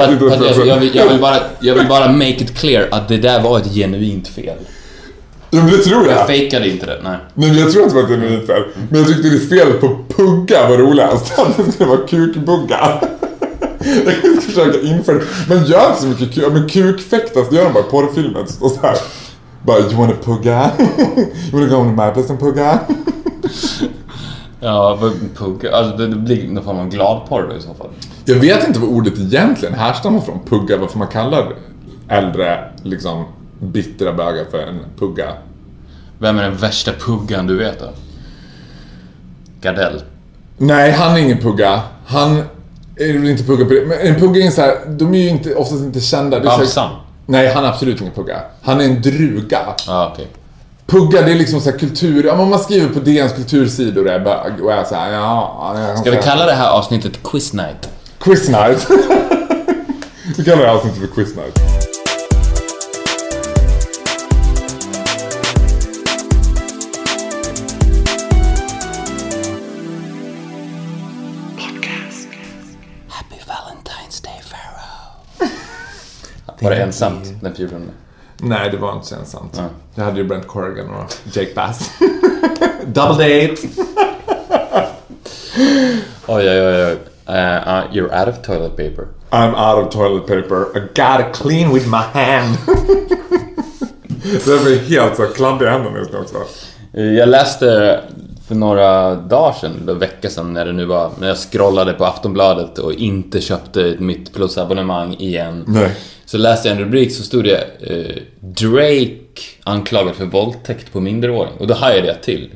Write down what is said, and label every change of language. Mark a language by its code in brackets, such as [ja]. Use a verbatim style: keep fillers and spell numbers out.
[sv] fast, fast jag, jag, vill, jag vill bara jag vill bara [en] make it clear [sv] att det där var ett genuint fel. Ja, men det tror jag. Jag fejkade inte det, nej. Men jag tror inte att det var ett genuint fel. Men jag tyckte det felet på pugga var roligast. Att det skulle vara kukbugga. Jag ska försöka inför. Men gör inte så mycket kuk. Men kukfäktas, det gör de bara i porrfilmen. Och så här. Bara, [en] you wanna [sv] pugga? [en] You wanna go on my place and pugga? [sv] Ja, pugga. Alltså det blir någon form av gladporr i så fall. Jag vet inte vad ordet egentligen härstammar från. Pugga, varför man kallar äldre, liksom, bittra bögar för en pugga. Vem är den värsta puggan du vet då? Gardell. Nej, han är ingen pugga. Han är väl inte pugga på det. Men en pugga är så här, de är ju inte, oftast inte kända. Balsam? Nej, han är absolut ingen pugga. Han är en druga. Ja, ah, okej. Okay. Pugga, det är liksom så här kultur. Ja, men man skriver på D N:s kultursidor och är bög och är så här, ja. Ska säga. Vi kalla det här avsnittet Quiz Night? Quiz Night. Vi kallar det här avsnittet för Quiz Night. [en] Podcast. Happy Valentine's Day, Pharaoh. [sv] Var det ensamt den fjortonde? Nej, det var inte så ensamt. Ja. Jag hade ju Brent Corrigan och Jake Bass. [en] Double date! [sv] Oj, oj, oj. [en] You're out of toilet paper. I'm out of toilet paper. I gotta clean with my hand. [sv] Det blir helt så kladdiga händerna just nu också. Jag läste för några dagar sedan, eller veckor sedan när det nu var, när jag scrollade på Aftonbladet och inte köpte mitt plusabonnemang igen. Nej. Så läste jag en rubrik så stod det eh, Drake anklagad för våldtäkt på minderårig. Och då hajade jag till.